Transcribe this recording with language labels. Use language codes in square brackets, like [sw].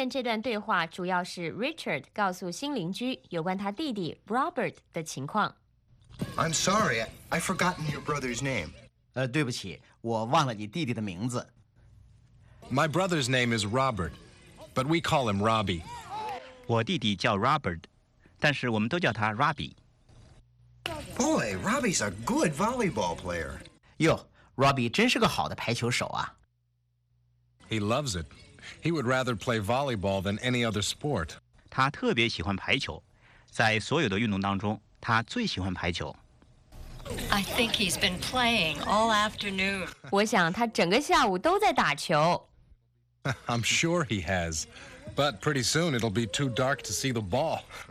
[zh] 对了下面这段对话主要是 Richard 告诉新邻居有关他弟弟 Robert 的情况 [en] I'm sorry, I've forgotten your brother's name. [zh] 对不起,我忘了你弟弟的名字。 [en] My brother's name is Robert, but we call him Robbie. [zh] 我弟弟叫Robert,但是我们都叫他Robbie。 [en] Boy, Robbie's a good volleyball player. [zh] 哟,Robbie真是个好的排球手啊。 [en] He loves it. He would rather play volleyball than any other sport. [zh] 他特别喜欢排球,在所有的运动当中。 [en] I think he's been playing all afternoon. [zh] 我想他整个下午都在打球。 [en] I'm sure he has, but pretty soon it'll be too dark to see the ball.